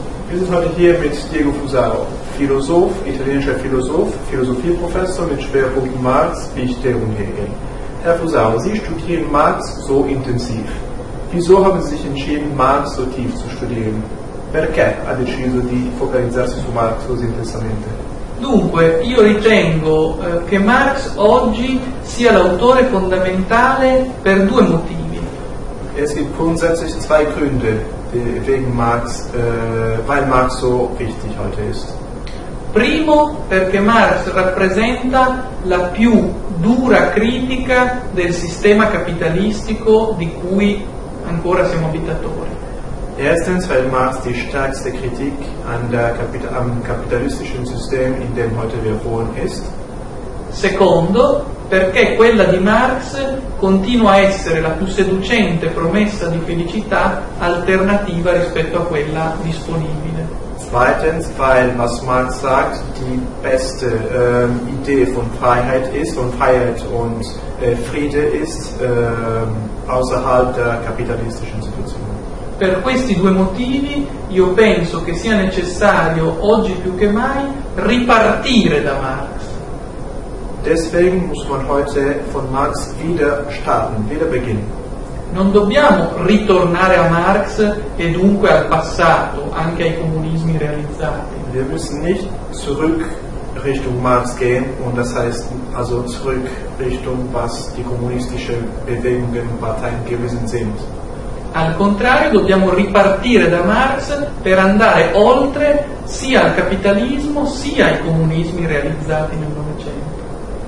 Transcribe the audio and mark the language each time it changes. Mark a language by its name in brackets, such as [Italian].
[German] Wir sind heute hier mit Diego Fusaro, Philosoph, italienischer Philosoph, Philosophieprofessor mit Schwerpunkt Marx, Fichte und Hegel. Herr Fusaro, Sie studieren Marx so intensiv. Wieso haben Sie sich entschieden, Marx so tief zu studieren? [Italian] Perché ha deciso di focalizzarsi su Marx così intensamente? Dunque, io ritengo che Marx oggi sia l'autore fondamentale per due motivi. [German] Es gibt grundsätzlich zwei Gründe, wegen Marx, weil Marx so wichtig heute ist. [Italian] Primo, perché Marx rappresenta la più dura critica del sistema capitalistico di cui ancora siamo abitatori. [German] Erstens, weil Marx die stärkste Kritik an am kapitalistischen System, in dem heute wir wohnen, ist. [Italian] Secondo, perché quella di Marx continua a essere la più seducente promessa di felicità alternativa rispetto a quella disponibile. [German] Zweitens, weil, was Marx sagt, die beste Idee von Freiheit ist, von Freiheit und Friede ist, außerhalb der kapitalistischen Situation. [Italian] Per questi due motivi io penso che sia necessario oggi più che mai ripartire da Marx. [German] Deswegen muss man heute von Marx wieder starten, wieder beginnen. [Italian] Non dobbiamo ritornare a Marx e dunque al passato, anche ai comunismi realizzati. [German] Wir müssen nicht zurück Richtung Marx gehen und das heißt also zurück Richtung was die kommunistische Bewegungen und Parteien gewesen sind. [Italian] Al contrario, dobbiamo ripartire da Marx per andare oltre sia al capitalismo sia ai comunismi realizzati nel Novecento.